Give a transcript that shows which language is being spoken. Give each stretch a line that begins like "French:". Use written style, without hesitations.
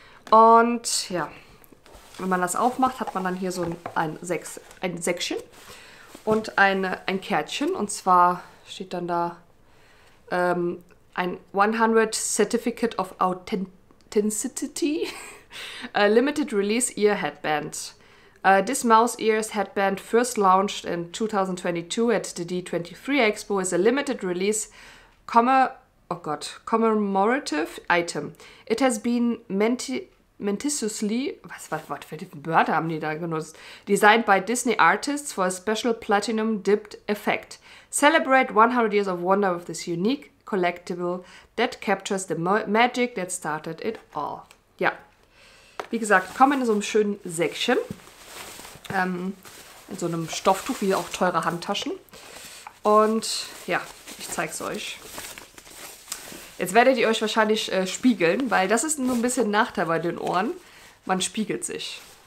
German: Und ja, wenn man das aufmacht, hat man dann hier so ein Säckchen und ein Kärtchen. Und zwar steht dann da ein 100 Certificate of Authenticity Limited Release Ear Headband.
English: This Mouse Ears Headband, first launched in 2022 at the D23 Expo, is a limited release commemorative item.
German: It has been meticulously, was für Wörter haben die da genutzt?
English: Designed by Disney Artists for a special platinum dipped effect. Celebrate 100 years of wonder with this unique collectible that captures the magic that started it all.
German: Ja, wie gesagt, kommen in so einem schönen Säckchen. In so einem Stofftuch wie auch teure Handtaschen. Und ja, ich zeige es euch. Jetzt werdet ihr euch wahrscheinlich spiegeln, weil das ist nur ein bisschen Nachteil bei den Ohren. Man spiegelt sich.